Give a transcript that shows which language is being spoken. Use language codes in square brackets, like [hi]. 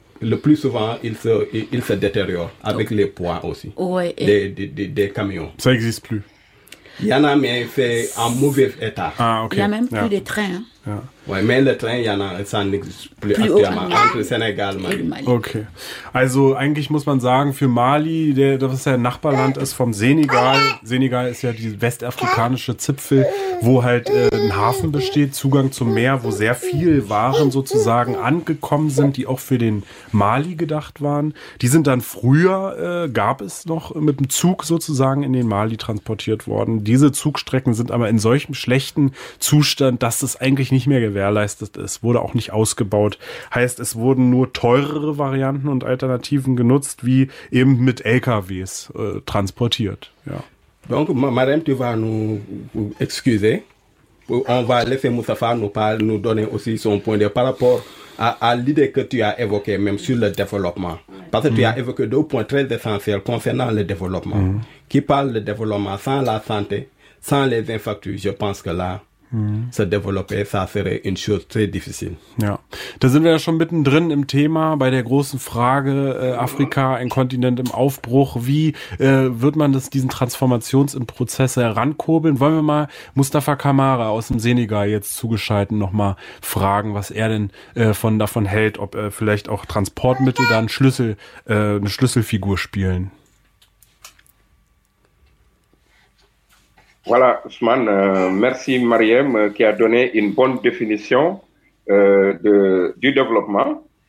[fr] Le plus souvent, il se détériore avec les poids aussi, des camions. Ça n'existe plus. Il y en a, mais c'est en mauvais état. Ah, okay. Il n'y a même plus de train. Hein. Yeah. Ouais, mais le train, il y en a, ça n'existe plus actuellement entre Sénégal et Mali. Okay. [de] Also eigentlich muss man sagen, für Mali, das ist ja ein Nachbarland, ist vom Senegal. Senegal ist ja die westafrikanische Zipfel, wo halt ein Hafen besteht, Zugang zum Meer, wo sehr viel Waren sozusagen angekommen sind, die auch für den Mali gedacht waren. Die sind dann früher, gab es noch, mit dem Zug sozusagen in den Mali transportiert worden. Diese Zugstrecken sind aber in solchem schlechten Zustand, dass das eigentlich nicht mehr gewährleistet ist. Wurde auch nicht ausgebaut. Heißt, es wurden nur teurere Varianten und Alternativen genutzt, wie eben mit LKWs transportiert. Ja. [fr] Donc, Madame, tu vas nous excuser. On va laisser Moustapha nous donner aussi son point de vue par rapport à l'idée que tu as évoquée, même sur le développement. Parce que tu as évoqué deux points très essentiels concernant le développement. Mm. Qui parle de développement sans la santé, sans les infrastructures, je pense que là, se développer, ça serait une chose très difficile. [de] Ja, da sind wir ja schon mittendrin im Thema bei der großen Frage Afrika, ein Kontinent im Aufbruch. Wie wird man das, diesen Transformationsprozess herankurbeln? Wollen wir mal Mustapha Kamara aus dem Senegal jetzt zugeschalten nochmal fragen, was er denn davon hält, ob vielleicht auch Transportmittel da eine Schlüsselfigur spielen. [fr] Voilà, Ousmane, merci Mariam qui a donné une bonne définition du développement.